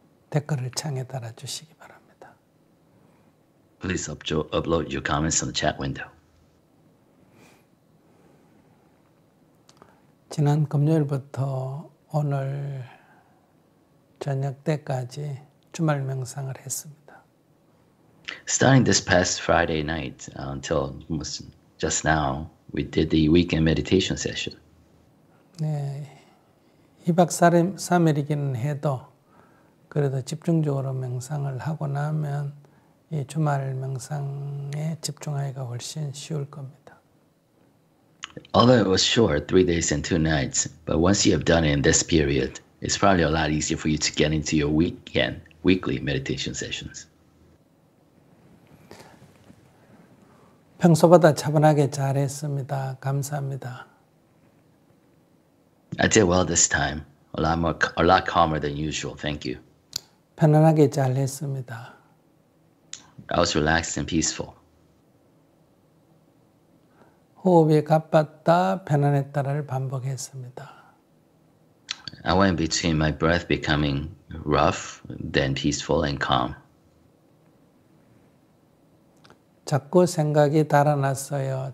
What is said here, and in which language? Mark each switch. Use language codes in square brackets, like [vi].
[ko] 댓글을 창에 달아주시기 바랍니다. [en] Please upload your comments on the chat window. [ko] 지난 금요일부터 오늘 저녁 때까지 주말 명상을 했습니다. [en] Starting this past Friday night until just now, we did the weekend meditation session. [ko] 네, 2박 3일이긴 해도 그래도 집중적으로 명상을 하고 나면 이 주말 명상에 집중하기가 훨씬 쉬울 겁니다. [en] Although it was short, 3 days and 2 nights, but once you have done it in this period, it's probably a lot easier for you to get into your weekly meditation sessions. [ko] 평소보다 차분하게 잘했습니다. 감사합니다. [en] I did well this time. A lot calmer than usual. Thank you. [ko] 편안하게 잘했습니다. [en] I was relaxed and peaceful. [ko] 호흡이 가빴다, 편안했다를 반복했습니다. [en] I went between my breath becoming rough, then peaceful and calm. [ko] 자꾸 생각이 달아났어요.